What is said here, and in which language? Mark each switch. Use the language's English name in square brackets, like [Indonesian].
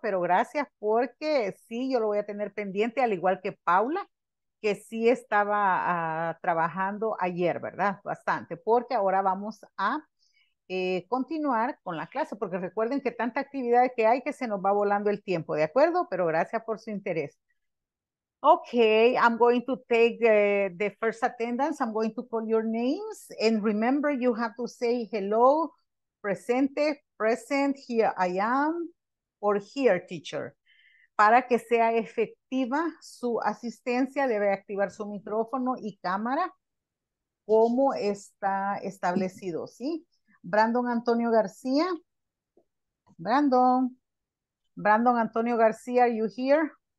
[Spanish] Pero gracias, porque sí, yo lo voy a tener pendiente, al igual que Paula, que sí estaba trabajando ayer, ¿verdad? Bastante, porque ahora vamos a continuar con la clase, porque recuerden que tanta actividad que hay que se nos va volando el tiempo, ¿de acuerdo? Pero gracias por su interés. [English] Okay, I'm going to take the first attendance. I'm going to call your names. And remember, you have to say hello, presente, present, here I am, or here, teacher. [Spanish] Para que sea efectiva su asistencia, debe activar su micrófono y cámara, como está establecido, ¿sí? [English] Brandon Antonio García. Brandon Antonio García, are you here?